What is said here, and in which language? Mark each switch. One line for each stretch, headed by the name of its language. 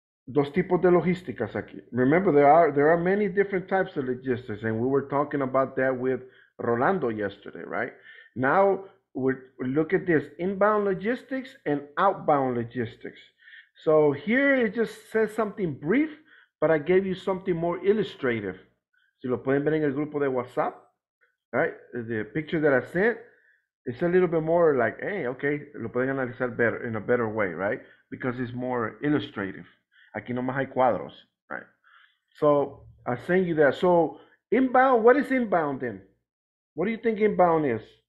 Spanish: Dos tipos de logísticas aquí.
English: Remember, there are many different types of logistics, and we were talking about that with Rolando yesterday, right? Now, we look at this, inbound logistics and outbound logistics. So here it just says something brief, but I gave you something more illustrative.
Spanish: Si lo pueden ver en el grupo de WhatsApp, right?
English: The picture that I sent, it's a little bit more like, hey, okay,
Spanish: lo pueden analizar
English: better, in a better way, right? Because it's more illustrative.
Spanish: Aquí nomás hay cuadros,
English: right? So I sent you that. So inbound, what is inbound then? What do you think inbound is?